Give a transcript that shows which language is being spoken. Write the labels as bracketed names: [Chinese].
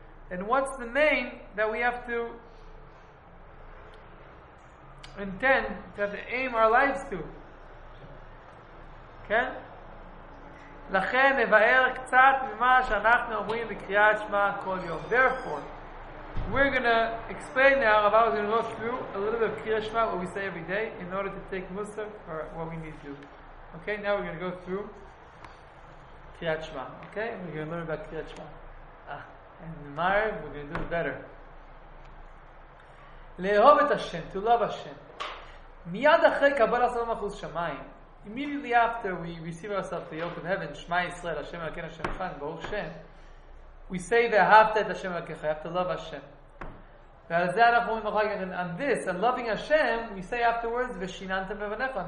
[English] And what's the main that we have to intend, to have to aim our lives to? Okay? [Hebrew] לכן נבאר קצת ממה שאנחנו אומרים בקריאת שמע כל יום. [English] Therefore, we're going to explain now, Rabbi was going to go through a little bit of קריאת שמע, what we say every day, in order to take מוסר for what we need to do. Okay, now we're going to go through קריאת שמע. Okay, we're going to learn about קריאת שמע. And tomorrow, we're going to do it better. [Hebrew] לאהוב את השם, [English] to love [Hebrew] השם. מיד אחרי קבל הסלום אחוז שמיים, [English] immediately after we receive ourselves to the yoke of heaven, [Hebrew] Shema Yisrael, Hashem Elokeinu Hashem Echad, Baruch Shem, [English] we say the [Hebrew] Ahavta et Hashem Elokecha, [English] you have to love Hashem. And loving Hashem, we say afterwards, [Hebrew] V'shinantem v'vanecha.